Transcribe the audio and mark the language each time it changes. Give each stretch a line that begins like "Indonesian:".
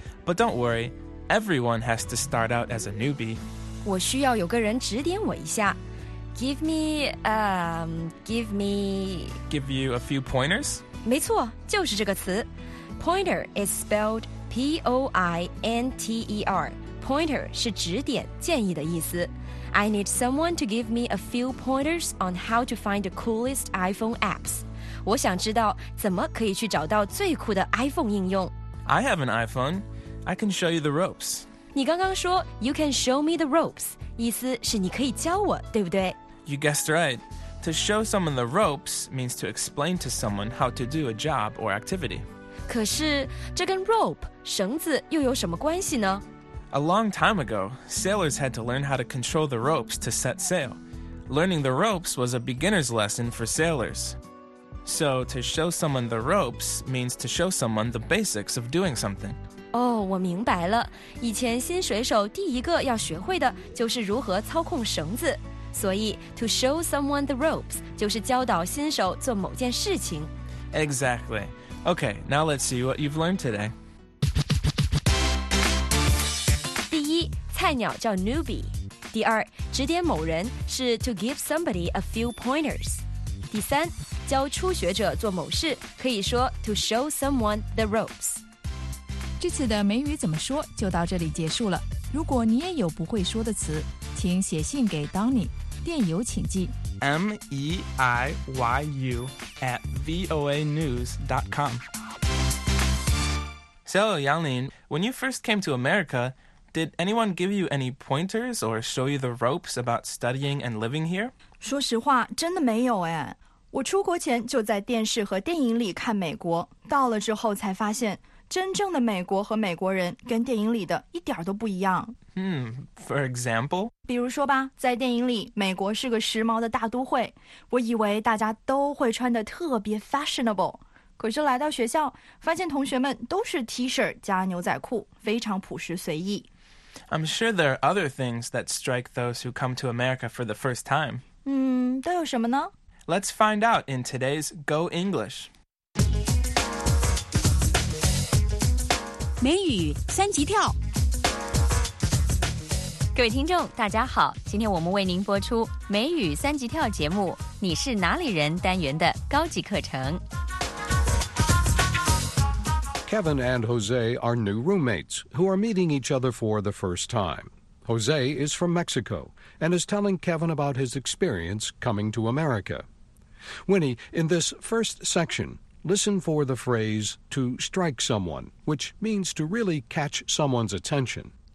English: But don't worry, everyone has to start out as a newbie.
Chinese: 我需要有个人指点我一下。
English: Give you a few pointers?
Chinese: 没错，就是这个词。
English: Pointer is spelled P-O-I-N-T-E-R.
Chinese: Pointer 是指点、建议的意思。
English: I need someone to give me a few pointers on how to find the coolest iPhone apps.
Chinese: 我想知道怎么可以去找到最酷的 iPhone 应用。
English: I have an iPhone. I can show you the ropes.
Chinese: 你刚刚说
English: you can show me the ropes,
Chinese: 意思是你可以教我，对不对？
English: You guessed right. To show someone the ropes means to explain to someone how to do a job or activity.
Chinese: 可是这跟 rope, 绳子又有什么关系呢？
English: A long time ago, sailors had to learn how to control the ropes to set sail. Learning the ropes was a beginner's lesson for sailors. So, to show someone the ropes means to show someone the basics of doing something.
Chinese: 哦，我明白了。以前新水手第一个要学会的就是如何操控绳子。所以
English: to show someone the ropes
Chinese: 就是教导新手做某件事情。
English: Exactly. Okay, now let's see what you've learned today.
Chinese: 第一，菜鸟叫 newbie。第二，指点某人是
English: to give somebody a few pointers。
Chinese: 第三，教初学者做某事可以说
English: to show someone the ropes。
Chinese: 这次的美语怎么说就到这里结束了。如果你也有不会说的词，请写信给 Donny， 电邮请寄
English: meiyu@voanews.com. So, Yanglin, when you first came to America, did anyone give you any pointers or show you the ropes about studying and living here?
Chinese: 说实话，真的没有哎。我出国前就在电视和电影里看美国，到了之后才发现真正的美国和美国人跟电影里的一点都不一样。
English: For example?
Chinese: 比如说吧，在电影里，美国是个时髦的大都会，我以为大家都会穿得特别 fashionable。可是来到学校，发现同学们都是 T-shirt 加牛仔裤，非常朴实随意。
English: I'm sure there are other things that strike those who come to America for the first time.
Chinese: 都有什么呢？
English: Let's find out in today's Go English.
Chinese: 美语三级跳。各位听众，大家好，今天我们为您播出美语三级跳节目，你是哪里人单元的高级课程。
English: Kevin and Jose are new roommates who are meeting each other for the first time. Jose is from Mexico and is telling Kevin about his experience coming to America. Winnie, in this first section, listen for the phrase to strike someone, which means to really catch someone's attention.